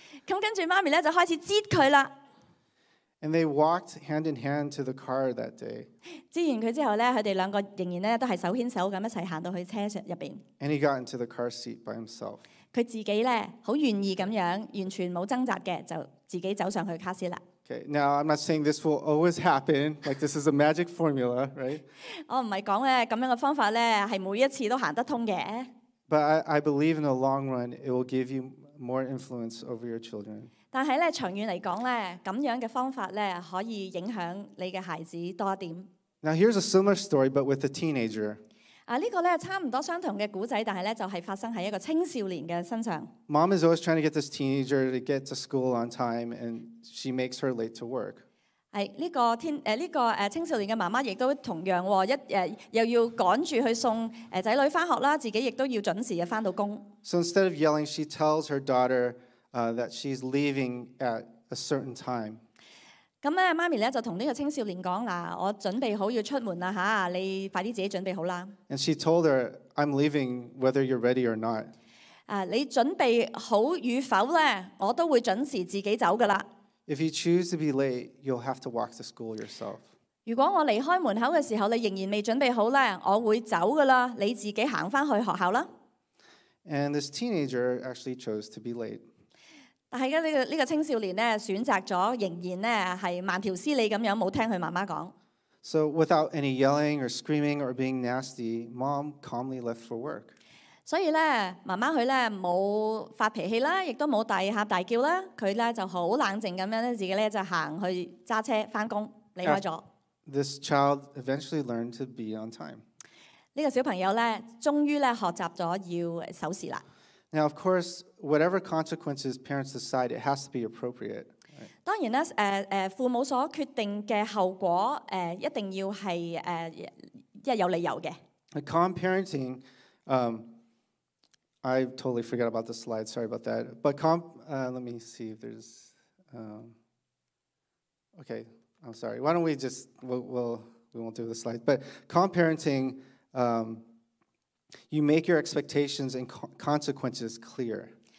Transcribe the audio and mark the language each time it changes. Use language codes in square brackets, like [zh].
[yue] 咁跟住妈咪咧就开始挤佢啦。 [en] And they walked hand in hand to the car that day. [yue] 挤完佢之后咧，佢哋两个仍然咧都系手牵手咁一齐行到去车上入边。 [en] And he got into the car seat by himself. [yue] 佢自己咧好愿意咁样，完全冇挣扎嘅，就自己走上去卡斯啦。 [en] Okay, now I'm not saying this will always happen. Like this is a magic formula, right? [yue] 我唔系讲嘅咁样嘅方法咧，系每一次都行得通嘅。 [en] But I believe in the long run, it will give you more influence over your children. [yue] 但系咧，长远嚟讲咧，咁样嘅方法咧，可以影响你嘅孩子多一点。 [en] Now here's a similar story, but with a teenager. [yue] 啊，呢个咧差唔多相同嘅故仔，但系咧就系发生喺一个青少年嘅身上。 [en] Mom is always trying to get this teenager to get to school on time, and she makes her late to work. [yue] 系呢个天诶呢个诶青少年嘅妈妈亦都同样喎，一诶又要赶住去送诶仔女翻学啦，自己亦都要准时嘅翻到工。 [en] So instead of yelling, she tells her daughter that she's leaving at a certain time. [yue] 咁咧，妈咪咧就同呢个青少年讲嗱，我准备好要出门啦吓，你快啲自己准备好啦。 [en] And she told her, "I'm leaving whether you're ready or not." [yue] 啊，你准备好与否咧，我都会准时自己走噶啦。 [en] If you choose to be late, you'll have to walk to school yourself. [yue] 如果我离开门口嘅时候，你仍然未准备好咧，我会走噶啦，你自己行翻去学校啦。 [en] And this teenager actually chose to be late. [yue] 但系呢个青少年咧，选择咗仍然咧系慢条斯理咁样，冇听佢妈妈讲。 [en] So without any yelling or screaming or being nasty, mom calmly left for work. [yue] 所以咧，妈妈佢咧冇发脾气啦，亦都冇大喊大叫啦，佢咧就好冷静咁样咧，自己咧就行去揸车翻工，离开咗。 [en] This child eventually learned to be on time. [yue] 呢个小朋友咧，终于咧学习咗要守时啦。 [en] Now, of course, whatever consequences parents decide, it has to be appropriate. [yue] 当然咧，父母所决定嘅后果，一定要系一有理由嘅。 [en] Calm parenting, I totally forgot about the slide. Sorry about that. But calm. Let me see if there's. Okay, I'm sorry. Why don't we just we won't do the slide. But calm parenting. You make your expectations and consequences clear.